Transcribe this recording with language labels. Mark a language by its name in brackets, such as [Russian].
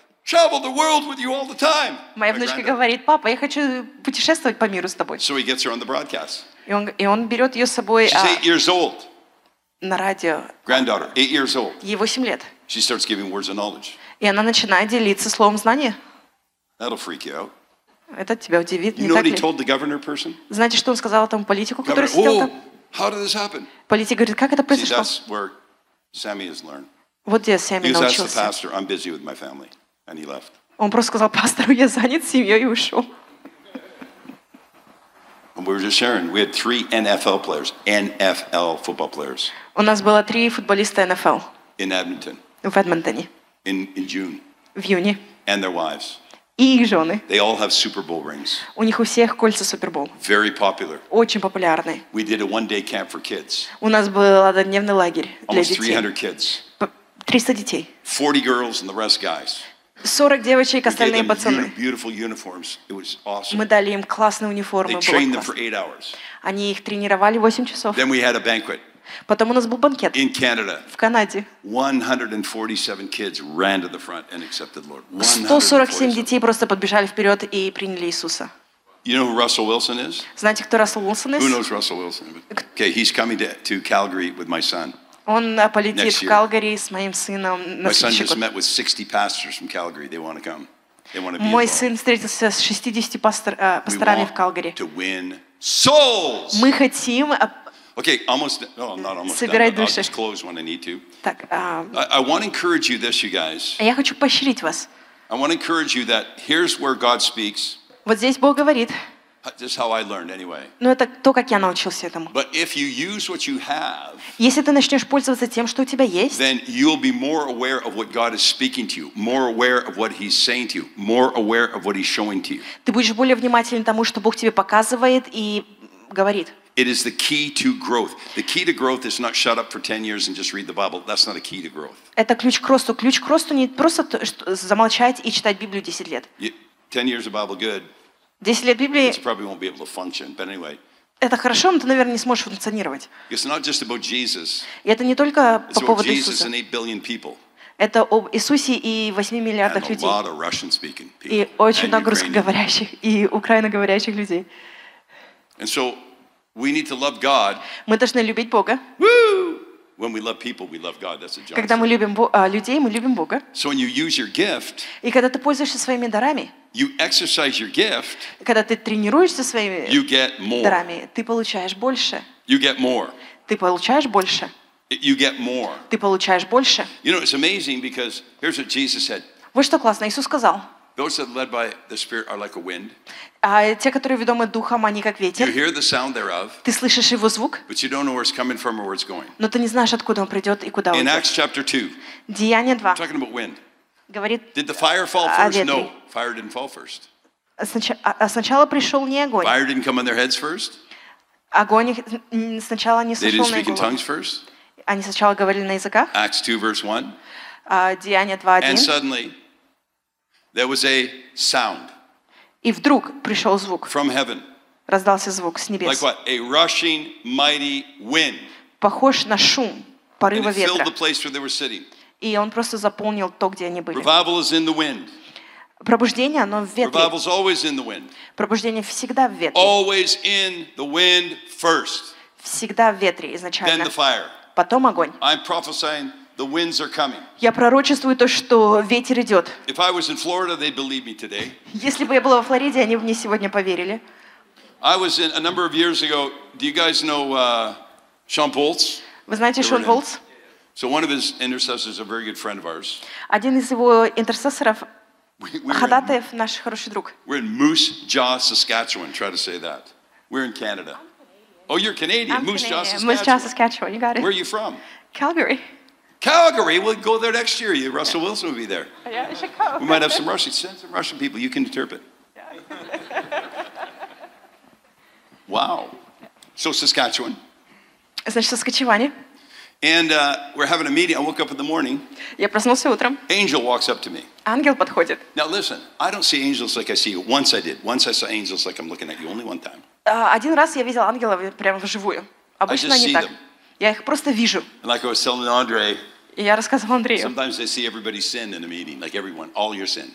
[Russian] Моя внучка говорит, папа, я хочу путешествовать по миру с тобой. [English] So he gets her on the broadcast. [Russian] И он берет ее с собой. [English] She's 8 years old. [Russian] На радио. [English] Granddaughter, 8 years old. [Russian] Ей 8 лет. [English] She starts giving words of knowledge. [Russian] И она начинает делиться словом знания. [English] That'll freak you out. [Russian] Это тебя удивит, [English] you [Russian] не так ли? [English] Told the governor person? [Russian] Знаете, что он сказал этому политику, который сидел там? [English] How did this happen? [Russian] Политик говорит, как это произошло? [English] See, that's where Sammy has learned. [Russian] Вот где Сэмми научился. [English] He asked the pastor, I'm busy with my family. And he left. [Russian] Он просто сказал пастору, я занят семьей и ушел. [English] And we were just sharing. We had 3 NFL players. NFL football players. [Russian] У нас было 3 футболиста NFL. [English] In Edmonton. [Russian] в Эдмонтоне. [English] In June. [Russian] В июне. [English] And their wives. [Russian] И их жены. [English] They all have Super Bowl rings. [Russian] У них у всех кольца Super Bowl. [English] Very popular. [Russian] Очень популярные. [English] We did a one day camp for kids. [Russian] У нас был однодневный лагерь для [English] Almost [Russian] детей. [English] 300 kids. [Russian] 300 детей. [English] 40 girls and the rest guys. [Russian] 40 девочек, остальные пацаны. [English] Beautiful uniforms. It was awesome. [Russian] Мы дали им классные униформы. [English] They trained them for 8 hours. [Russian] Они их тренировали 8 часов. [English] Then we had a banquet. [Russian] Потом у нас был банкет [English] in Canada, [Russian] в Канаде. [English] 147 kids ran to the front and accepted Lord. [Russian] 147 детей просто подбежали вперед и приняли Иисуса. [English] You know who Russell Wilson is? [Russian] Знаете, кто Russell Wilson [English] is? Who knows Russell Wilson? Okay, he's coming to Calgary with my son. [Russian] Он полетит в Калгари с моим сыном. [English] My son just met with 60 pastors from Calgary. They want to come. They want to be. [Russian] Мой сын встретился с 60 пасторами в Калгари. [English] To win souls. [Russian] Мы хотим. [English] Okay, almost. No, I'm not almost done. I'll just close when I need to. [Russian] Так. [English] I want to encourage you this, you guys. [Russian] Я хочу поощрить вас. [English] I want to encourage you that here's where God speaks. [Russian] Вот здесь Бог говорит. [English] This is how I learned, anyway. [Russian] Но это то, как я научился этому. [English] But if you use what you have, [Russian] если ты начнешь пользоваться тем, что у тебя есть, [English] then you'll be more aware of what God is speaking to you, more aware of what He's saying to you, more aware of what He's showing to you. [Russian] Ты будешь более внимателен тому, что Бог тебе показывает и говорит. [English] It is the key to growth. The key to growth is not shut up for 10 years and just read the Bible. That's not a key to growth. [Russian] Это ключ к росту. Ключ к росту не просто замолчать и читать Библию 10 лет. [English] 10 years of Bible, good. [Russian] 10 лет Библии. [English] It probably won't be able to function, but anyway. [Russian] Это хорошо, но ты, наверное, не сможешь функционировать. [English] It's not just about Jesus. [Russian] И это не только по поводу Иисуса. [English] It's about Jesus and 8 billion people. [Russian] Это об Иисусе и 8 миллиардах людей. [English] And a lot of Russian-speaking people. [Russian] И очень много русскоговорящих и украиноговорящих людей. [English] And so we need to love God. [Russian] Мы должны любить Бога. [English] Woo! When we love people, we love God. That's a joke. [Russian] Когда мы любим людей, мы любим Бога. [English] So when you use your gift, [Russian] и когда ты пользуешься своими дарами, [English] you exercise your gift, [Russian] когда ты тренируешься своими дарами, ты получаешь больше. [English] You get more. [Russian] Ты получаешь больше. [English] You get more. [Russian] Ты получаешь больше. [English] You know, it's amazing because here's what Jesus said. [Russian] Вот что классно, Иисус сказал. [English] Those that are led by the Spirit are like a wind. [Russian] Те, которые ведомы духом, они как ветер. [English] You hear the sound thereof. [Russian] Ты слышишь его звук. [English] But you don't know where it's coming from or where it's going. [Russian] Но ты не знаешь, откуда он придет и куда он идет. [English] In Acts chapter 2. [Russian] Деяния 2. [English] I'm talking about wind. [Russian] Говорит. [English] Did the fire fall first? No, fire didn't fall first. [Russian] Сначала пришел не огонь. [English] Fire didn't come on their heads first. [Russian] Огонь сначала не сошел на голову. [English] They didn't speak in tongues first. [Russian] Они сначала говорили на языках. [English] Acts 2 verse 1. [Russian] Деяния 2:1. [English] And suddenly there was a sound. [Russian] И вдруг пришел звук. [English] From heaven. [Russian] Раздался звук с небес. [English] Like what? A rushing, mighty wind. [Russian] Похож на шум порыва ветра. [English] And it filled the place where they were sitting. [Russian] И он просто заполнил то, где они были. [English] Revival is in the wind. [Russian] Пробуждение, оно в ветре. [English] Revival is always in the wind. [Russian] Пробуждение всегда в ветре. [English] Always in the wind first. [Russian] Всегда в ветре изначально. [English] Then the fire. [Russian] Потом огонь. [English] I'm prophesying. The winds are coming. [Russian] Я пророчествую то, что ветер идет. [English] If I was in Florida, they'd believe me today. [Russian] Если бы я была во Флориде, они бы мне сегодня поверили. [English] I was in a number of years ago. Do you guys know Sean Poltz? [Russian] Вы знаете Шон Полтс? [English] So one of his intercessors, a very good friend of ours. [Russian] Один из его интерсессоров, ходатаев, наш хороший друг. [English] We're in Moose Jaw, Saskatchewan. Try to say that. We're in Canada. Oh, you're Canadian. Moose Jaw, Saskatchewan. Moose Jaw, Saskatchewan. You got it. Where are you from? Calgary. Calgary, we'll go there next year. Russell Wilson will be there. Yeah, I should go. We might have some Russian, send some Russian people. You can interpret. Yeah. Wow. So Saskatchewan. [Russian] Значит, Saskatchewan. [English] And we're having a meeting. I woke up in the morning. [Russian] Я проснулся утром. [English] Angel walks up to me. [Russian] Ангел подходит. [English] Now listen, I don't see angels like I see you. Once I did. Once I saw angels like I'm looking at you. Only one time. [Russian] Один раз я видел ангелов прямо вживую. Обычно не так. Я их просто вижу. [English] Like I was telling Andre, [Russian] я рассказывал Андрею. [English] Sometimes they see everybody's sin in a meeting, like everyone, all your sin.